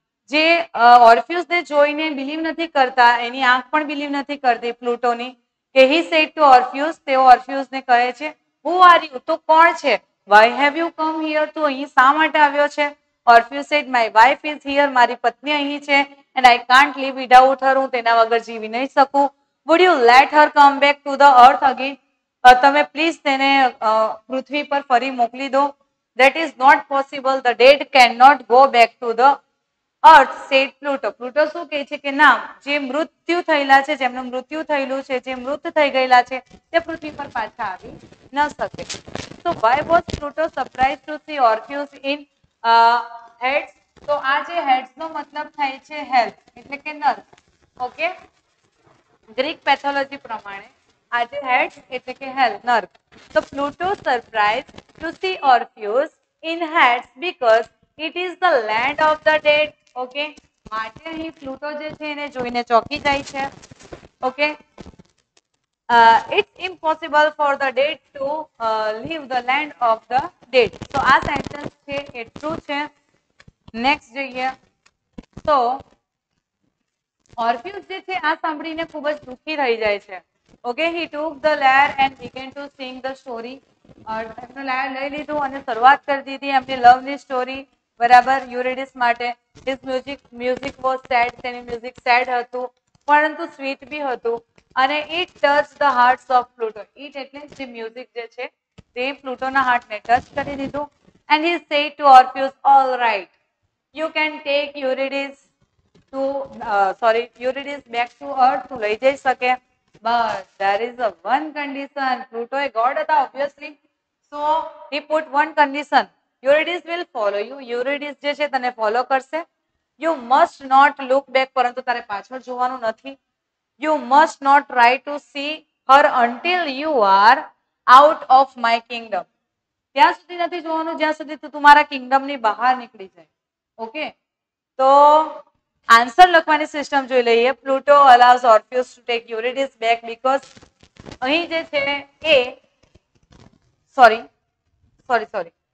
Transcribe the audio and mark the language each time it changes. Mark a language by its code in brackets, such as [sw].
[gu] જે ઓર્ફ્યુસને જોઈને બિલીવ નથી કરતા, એની આંખ પણ બિલીવ નથી કરતી પ્લુટોની. કે [en] he said to Orpheus, [gu] તેઓ ઓર્ફ્યુસને કહે છે, [en] who are you, [gu] તું કોણ છે? [en] why have you come here, [gu] તું અહીં શા માટે આવ્યો છે? [en] Orpheus said, my wife is here, [gu] મારી પત્ની અહીં છે, [en] and I can't live without her, [gu] હું તેના વગર જીવી નહીં શકું. [en] Would you let her come back to the earth again? [gu] તમે please તેને પૃથ્વી પર ફરી મોકલી દો. [en] That is not possible, the dead cannot go back to the earth, said Pluto. [gu] Pluto શું કહે છે કે ના, જે મૃત્યુ થયેલા છે, જેમનું મૃત્યુ થયેલું છે, જે મૃત થઈ ગયેલા છે, તે પૃથ્વી પર પાછા આવી ન શકે. [en] So why was Pluto surprised to see Orpheus in Hades? [gu] તો આ જે હેડ્સ નો મતલબ થાય છે હેલ્થ, એટલે કે નર્સ, ઓકે. ગ્રીક પેથોલોજી પ્રમાણે આ જે હેડ્સ એટલે કે હેલ્થ નર્સ. [en] તો Pluto surprise to see Orpheus in Hades because it is the land of the dead, okay. [gu] માટે અહીં પ્લુટો જે છે એને જોઈને ચોકી જાય છે, okay. [en] It's impossible for the dead to leave the land of the dead. [gu] So, આ sentence છે એ true છે. Next જોઈએ. So, Orpheus જે છે આ સાંભળીને ખૂબ જ દુઃખી થઈ જાય છે. [en] Okay, he took the lyre and began to sing the story. [gu] એમનું lyre લઈ લીધું અને શરૂઆત કરી દીધી એમની love ની story, બરાબર, Eurydice માટે. [en] His music was sad, [gu] તેની music sad હતું પરંતુ sweet બી હતું. અને [en] It touch the heart of Pluto. [gu] It એટલે જે મ્યુઝિક જે છે તે પ્લુટોના હાર્ટને ટચ કરી દીધું. [en] and he said to Orpheus, all right, you can take Eurydice to, sorry, Eurydice back to earth, [gu] તું લઈ જઈ શકે. [en] But there is a one condition. Pluto એ god હતા obviously, so he put one condition, Eurydice will follow you. [gu] યુરિડિસ જે છે તને follow કરશે. [en] you must not look back, [gu] પરંતુ તારે પાછળ જોવાનું નથી. [en] You must not try to see her until you are out of my kingdom. [gu] ત્યાં સુધી નથી જોવાનું જ્યાં સુધી તું તમારા કિંગડમની બહાર નીકળી જાય, ઓકે. તો આન્સર લખવાની સિસ્ટમ જોઈ લઈએ. [en] Pluto allows Orpheus to take Eurydice back because [gu] અહીં જે છે એ, સોરી સોરી સોરી,